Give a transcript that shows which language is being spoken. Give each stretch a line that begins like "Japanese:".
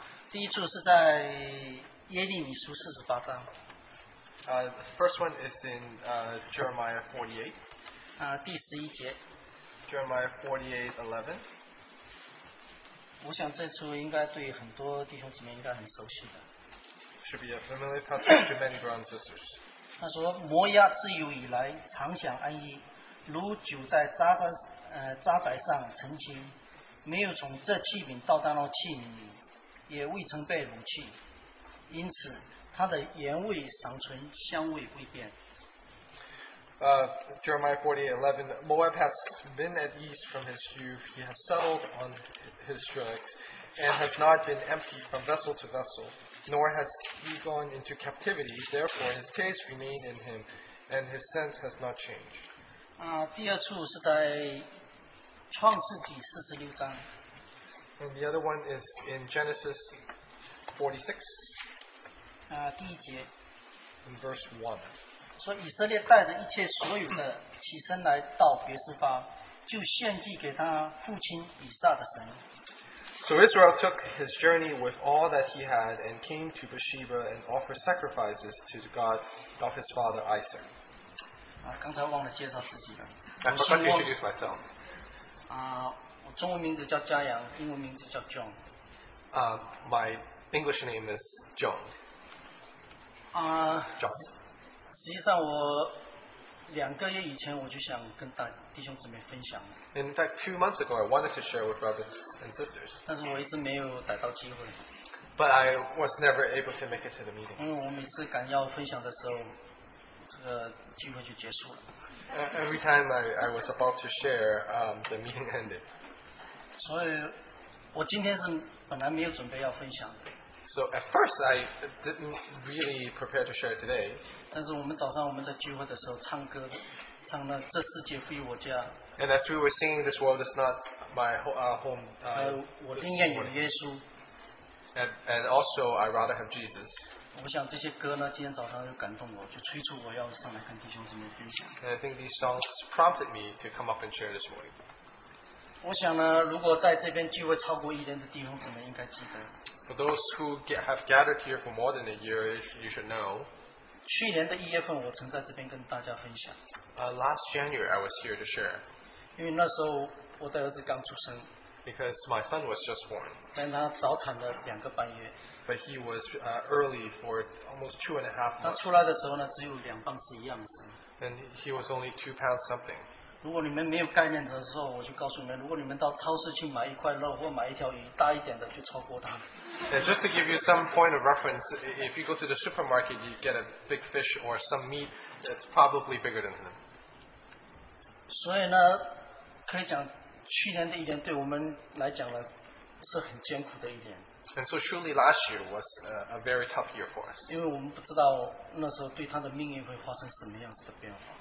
Chinese: 第一处是在耶利米书四十八章。
English: The first one is in Jeremiah 48.
Chinese: 第十一节。
English: Jeremiah 48:11.
Chinese: 我想这处应该对很多弟兄姊妹应该很熟悉的。
English: Should be a familiar passage to many brothers and sisters.
Chinese: 他说：“摩押自幼以来常享安逸，如久在扎宅上成亲。” 没有从这器皿倒到那器皿里，也未曾被掳去，因此它的盐味尚存，香味未变。
English: Jeremiah 48:11. Moab has been at ease from his youth. He has settled on his tricks, and has not been emptied from vessel to vessel, nor has he gone into captivity. Therefore, his taste remained in him, and his scent has not changed.
Chinese: 第二处是在。创世纪四十六章。
English: And the other one is in Genesis 46.
Chinese: 第一节。
English: In verse 1.
Chinese: 说以色列带着一切所有的起身来到别示巴，就献祭给他父亲以撒的神。
English: So Israel took his journey with all that he had and came to Beersheba and offered sacrifices to the God of his father Isaac.
Chinese: 刚才忘了介绍自己了。
English: I forgot to introduce myself.
Chinese: 我中文名字叫嘉阳，英文名字叫 John。
English: My English name is John。 John。
Chinese: 实际上，我两个月以前我就想跟大弟兄姊妹分享。
English: In fact, 2 months ago, I wanted to share with brothers and sisters。
Chinese: 但是我一直没有逮到机会。
English: But I was never able to make it to the meeting。
Chinese: 因为我每次赶要分享的时候，这个机会就结束了。
English: Every time I was about to share, the meeting ended.
Chinese: 所以，我今天是本来没有准备要分享的。
English: So at first I didn't really prepare to share today.
Chinese: 但是我们早上我们在聚会的时候唱歌，唱了这世界非我家。
English: And as we were singing, this world is not my home.
Chinese: 我宁愿有耶稣。
English: And also I rather have Jesus.
Chinese: 我想这些歌呢，今天早上就感动我，就催促我要上来跟弟兄姊妹分享。
English: And I think these songs prompted me to come up and share this morning.
Chinese: 我想呢，如果在这边聚会超过一年的弟兄姊妹应该记得。
English: For those who have gathered here for more than a year, you should know.
Chinese: 去年的一月份，我曾在这边跟大家分享。
English: Last January, I was here to share.
Chinese: 因为那时候我的儿子刚出生。
English: Because my son was just born.
Chinese: 但他早产了两个半月。
English: But he was early for almost 2.5 months.
Chinese: 他出来的时候呢，只有两磅是一样的。
English: And he was only 2 pounds something.
Chinese: 如果你们没有概念的时候，我就告诉你们，如果你们到超市去买一块肉或买一条鱼，大一点的就超过他。
English: And just to give you some point of reference, if you go to the supermarket, you get a big fish or some meat that's probably bigger than him.
Chinese: 所以呢，可以讲去年的一年对我们来讲呢，是很艰苦的一年。
English: And so truly last year was a very tough year for us.
Chinese: 因为我们不知道那时候对他的命运会发生什么样子的变化。